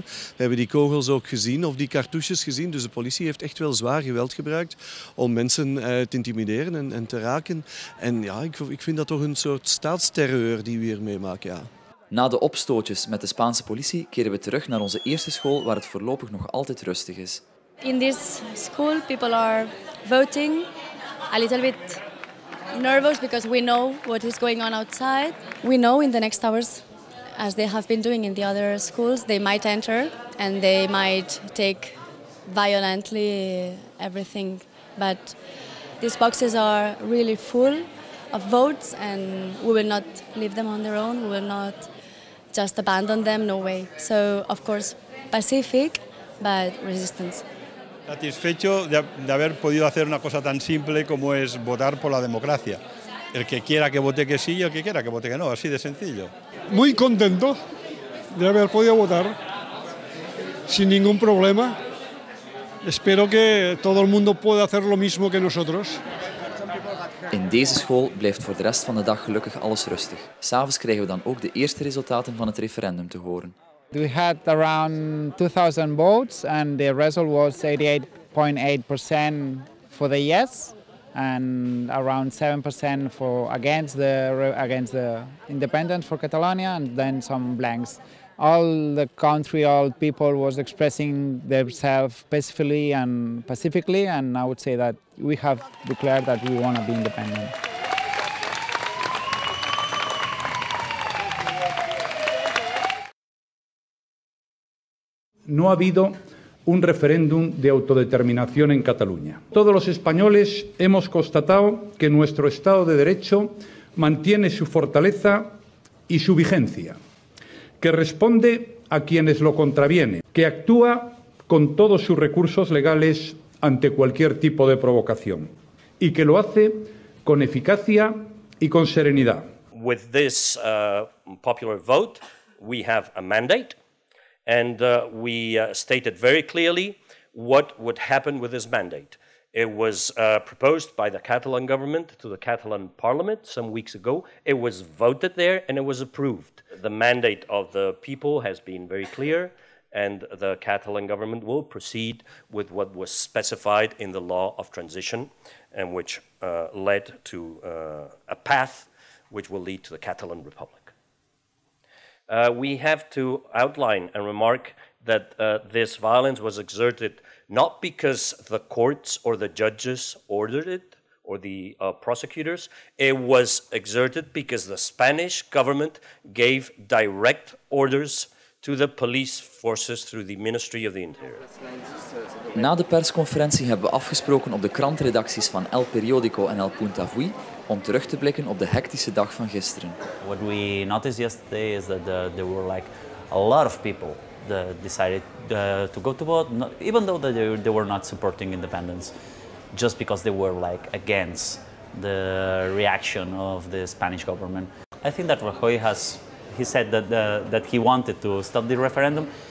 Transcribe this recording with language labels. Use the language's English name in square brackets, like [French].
[Dutch] We hebben die kogels ook gezien, of die cartouches gezien. Dus de politie heeft echt wel zwaar geweld gebruikt om mensen te intimideren en te raken. En ja, ik vind dat toch een soort staatsterreur die we hier meemaken. Ja. Na de opstootjes met de Spaanse politie keren we terug naar onze eerste school waar het voorlopig nog altijd rustig is. [English] In this school people are voting a little bit nervous because we know what is going on outside. We know in the next hours, as they have been doing in the other schools, they might enter and they might take violently everything. But these boxes are really full of votes and we will not leave them on their own. We will not just abandon them, no way. So of course, pacific, but resistance. [Spanish] Satisfecho de haber podido hacer una cosa tan simple como es votar por la democracia. El que quiera que vote que sí y el que quiera que vote que no, así de sencillo. Muy contento de haber podido votar sin ningún problema. Espero que todo el mundo pueda hacer lo mismo que nosotros. [Dutch] In deze school blijft voor de rest van de dag gelukkig alles rustig. 's Avonds krijgen we dan ook de eerste resultaten van het referendum te horen. [English] We had around 2,000 votes and the result was 88.8% for the yes and around 7% for against the independence for Catalonia and then some blanks. All the country, all people was expressing themselves peacefully and pacifically, and I would say that we have declared that we want to be independent. [Spanish] No ha habido un referéndum de autodeterminación en Cataluña. Todos los españoles hemos constatado que nuestro Estado de Derecho mantiene su fortaleza y su vigencia, que responde a quienes lo contravienen, que actúa con todos sus recursos legales ante cualquier tipo de provocación y que lo hace con eficacia y con serenidad. [English] With this popular vote, we have a mandate. And we stated very clearly what would happen with this mandate. It was proposed by the Catalan government to the Catalan parliament some weeks ago. It was voted there and it was approved. The mandate of the people has been very clear and the Catalan government will proceed with what was specified in the law of transition and which led to a path which will lead to the Catalan Republic. We have to outline and remark that this violence was exerted not because the courts or the judges ordered it or the prosecutors. It was exerted because the Spanish government gave direct orders to the police forces through the Ministry of the Interior. [Dutch] Na de persconferentie hebben we afgesproken op de krantenredacties van El Periódico en El Punt Avui om terug te blikken op de hectische dag van gisteren. [English] What we noticed yesterday is that there were like a lot of people that decided to go to vote, even though they were not supporting independence, just because they were like against the reaction of the Spanish government. I think that Rajoy said that he wanted to stop the referendum.